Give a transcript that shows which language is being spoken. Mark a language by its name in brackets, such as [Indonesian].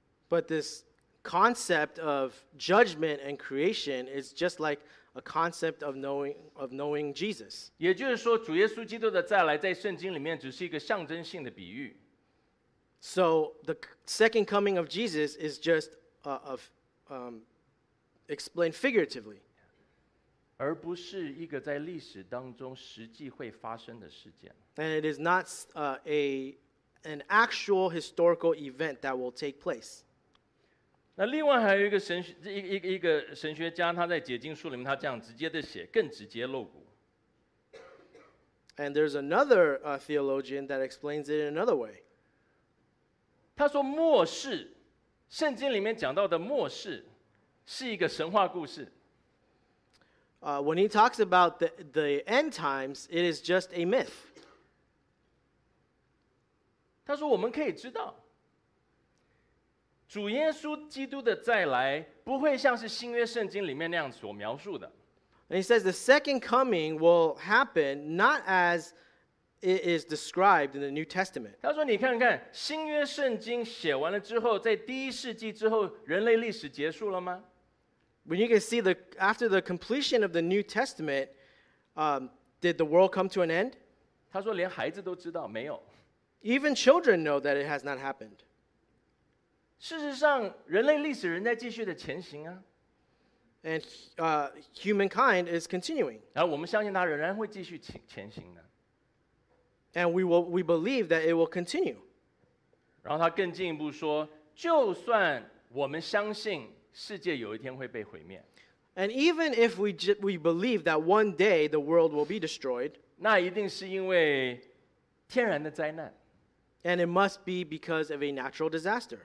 [English] But this concept of judgment and creation is just like a concept of knowing Jesus. [Chinese] 也就是说，主耶稣基督的再来在圣经里面只是一个象征性的比喻。 [English] So the second coming of Jesus is just explained figuratively. [Chinese] 而不是一个在历史当中实际会发生的事件。 [English] And it is not a an actual historical event that will take place. [Chinese] 那另外还有一个神学一个神学家，他在解经书里面，他这样直接的写，更直接露骨。 [English] And there's another theologian that explains it in another way. [Chinese] 他说末世，圣经里面讲到的末世，是一个神话故事。 [English] When he talks about the end times, it is just a myth. [Chinese] 他说我们可以知道，主耶稣基督的再来不会像是新约圣经里面那样所描述的。 [English] And he says the second coming will happen not as it is described in the New Testament. [Chinese] 他说你看看，新约圣经写完了之后，在第一世纪之后，人类历史结束了吗？ [English] When you can see the after the completion of the New Testament, did the world come to an end? [Chinese] 他说连孩子都知道没有。 [English] Even children know that it has not happened. [Chinese] 事实上，人类历史仍在继续的前行啊。 [English] And humankind is continuing. [Chinese] 然后我们相信它仍然会继续前行的。 [English] And we believe that it will continue. [Chinese] 然后他更进一步说，就算我们相信。世界有一天会被毁灭。 [English] And even if we believe that one day the world will be destroyed, [Chinese] 那一定是因为天然的灾难。 [English] And it must be because of a natural disaster.